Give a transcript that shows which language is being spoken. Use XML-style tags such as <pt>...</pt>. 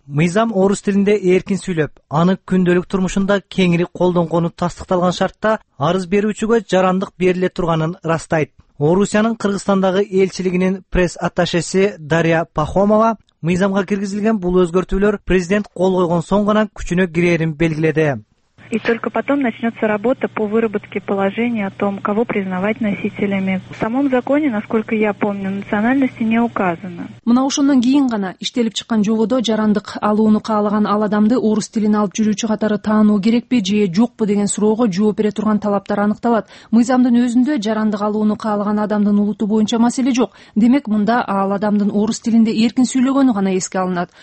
<ky>Мыйзам орус тилинде эркин сүйлөп, аны күндөлүк турмушунда кеңири колдонгону тастыкталган шартта арыз берүүчүгө жарандык бериле турганын ырастайт. Орусиянын Кыргызстандагы элчилигинин пресс атташеси Дарья Пахомова мыйзамга киргизилген бул өзгөртүүлөр президент кол койгон соң гана күчүнө кирэрин белгиледи.</ky> <ru>И только потом начнется работа по выработке положения о том, кого признавать носителями. В самом законе, насколько я помню, национальности не указано.</ru> <ky>Мына ошондон кийин гана иштелип чыккан жободо жарандык алууну каалаган ал адамды орус тилин алып жүрүүчү катары таануу керекпи же жокпу деген суроого жооп бере турган талаптар аныкталат. Мыйзамдын өзүндө жарандык алууну каалаган адамдын улуту боюнча маселе жок. Демек, мында ал адамдын орус тилинде эркин сүйлөгөнү гана эске алынат.</ky>